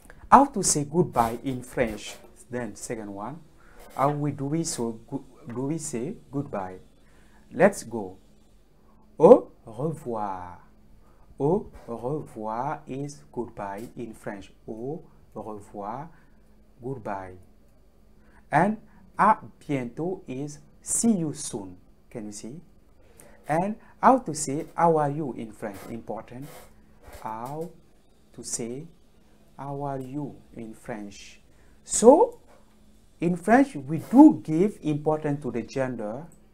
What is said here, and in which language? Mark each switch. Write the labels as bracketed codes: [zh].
[en] How to say goodbye in French? Then second one. How do we say goodbye? Let's go. [fr] Au revoir. Au revoir [en] is goodbye in French. [fr] Au revoir, [en] goodbye. And [fr] à bientôt [en] is see you soon. Can you see? And how to say how are you in French? Important. How to say how are you in French? So in French we do give importance to the gender.